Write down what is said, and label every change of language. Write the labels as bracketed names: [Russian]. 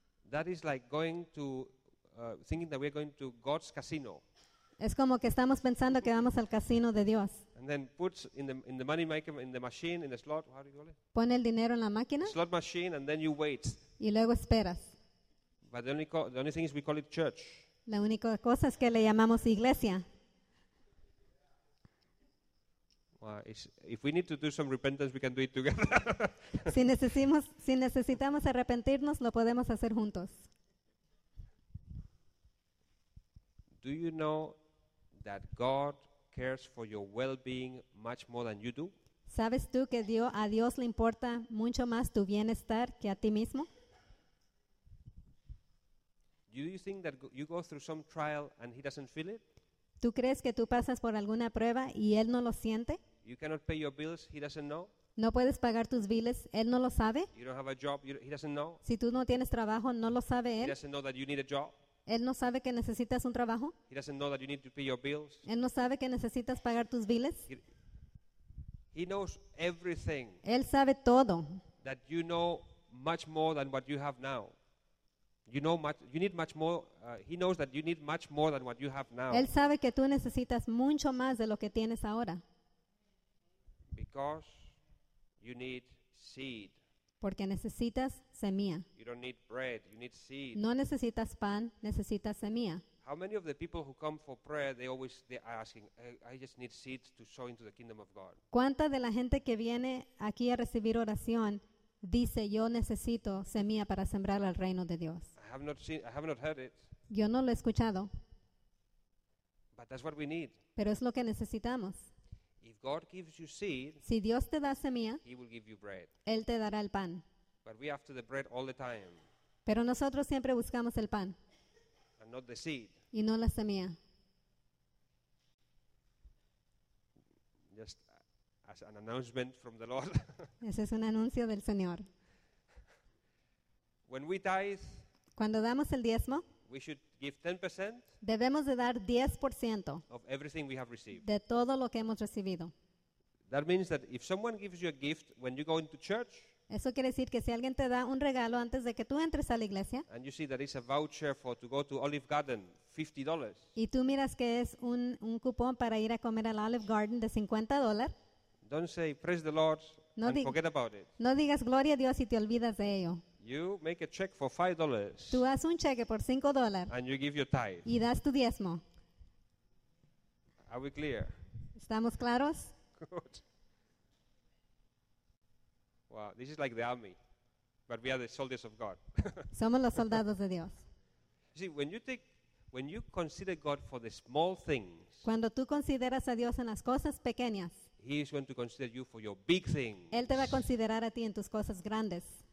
[English] That is like going to thinking that we are going to God's casino. [Spanish] Es como que estamos pensando que vamos al casino de Dios. [English] And then puts in the money maker, in the machine, in the slot, how do you call it? [Spanish] Pone el dinero en la máquina. [English] Slot machine, and then you wait. [Spanish] Y luego esperas. [English] But the only thing is we call it church. [Spanish] La única cosa es que le llamamos iglesia. [English] Well, if we need to do some repentance, we can do it together. [Spanish] Si necesitamos arrepentirnos, lo podemos hacer juntos. [English] Do you know that God cares for your well-being much more than you do? [Spanish] ¿Sabes tú que a Dios le importa mucho más tu bienestar que a ti mismo? [English] Do you think that you go through some trial and he doesn't feel it? [Spanish] ¿Tú crees que tú pasas por alguna prueba y él no lo siente? [English] You cannot pay your bills, he doesn't know? [Spanish] ¿No puedes pagar tus biles, él no lo sabe? [English] You don't have a job, he doesn't know? [Spanish] Si tú no tienes trabajo, no lo sabe él. [English] He doesn't know that you need a job. [Spanish] ¿Él no sabe que necesitas un trabajo? [English] He doesn't know that you need to pay your bills. [Spanish] ¿Él no sabe que necesitas pagar tus biles? [English] He knows everything. [Spanish] Él sabe todo. [English] That you know much more than what you have now. You know much, you need much more. He knows that you need much more than what you have now. [Spanish] Él sabe que tú necesitas mucho más de lo que tienes ahora. [English] Because you need seed. [Spanish] Porque necesitas semilla. [English] You don't need bread, you need seed. [Spanish] No necesitas pan, necesitas semilla. [English] How many of the people who come for prayer, they're asking, I just need seeds to sow into the kingdom of God. [Spanish] ¿Cuánta de la gente que viene aquí a recibir oración dice, yo necesito semilla para sembrar al reino de Dios? [English] I have not heard it. [Spanish] Yo no lo he escuchado. [English] But that's what we need. [Spanish] Pero es lo que necesitamos. [English] If God gives you seed, [Spanish] si Dios te da semilla, [English] he will give you bread. [Spanish] Él te dará el pan. [English] But we after the bread all the time. [Spanish] Pero nosotros siempre buscamos el pan. [English] And not the seed. [Spanish] Y no la semilla. [English] Just as an announcement from the Lord. [Spanish] Ese es un anuncio del Señor. [English] When we tithe, [Spanish] cuando damos el diezmo, [English] we should give 10%. [Spanish] Debemos de dar 10% [English] of everything we have received. [Spanish] De todo lo que hemos recibido. [English] That means that if someone gives you a gift when you go into church, [Spanish] eso quiere decir que si alguien te da un regalo antes de que tú entres a la iglesia, [English] and you see that it's a voucher for to go to Olive Garden, $50. [Spanish] Y tú miras que es un cupón para ir a comer al Olive Garden de $50. [English] Don't say praise the Lord and forget about it. [Spanish] No digas gloria a Dios y te olvidas de ello. [English] You make a check for $5. [Spanish] Tú haces un cheque por $5. [English] And you give your tithe. [Spanish] Y das tu diezmo. [English] Are we clear? [Spanish] ¿Estamos claros? [English] Good. Wow, this is like the army, but we are the soldiers of God. [Spanish] Somos los soldados de Dios. [English] See, when you consider God for the small things, [Spanish] cuando tú consideras a Dios en las cosas pequeñas, [English] he is going to consider you for your big things. [Spanish] Él te va a considerar a ti en tus cosas grandes.